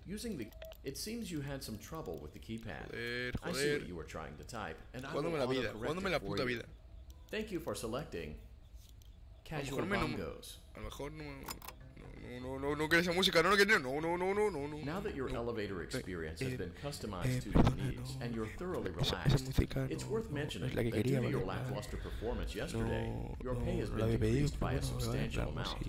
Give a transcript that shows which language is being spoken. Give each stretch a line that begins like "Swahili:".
English: Using the, it seems you had some trouble with the keypad.
Spanish: Joder, joder.
English: I see what you were trying to type, and I will auto-correct it for you. Thank you for selecting casual bongos.
Spanish: A lo mejor no quiero esa música, no quiero, no.
English: Now that your
Spanish: no,
English: elevator experience has been customized to your needs and you're thoroughly relaxed, it's worth mentioning
Spanish: no,
English: that due to your lackluster performance yesterday, your pay has been decreased by a substantial amount.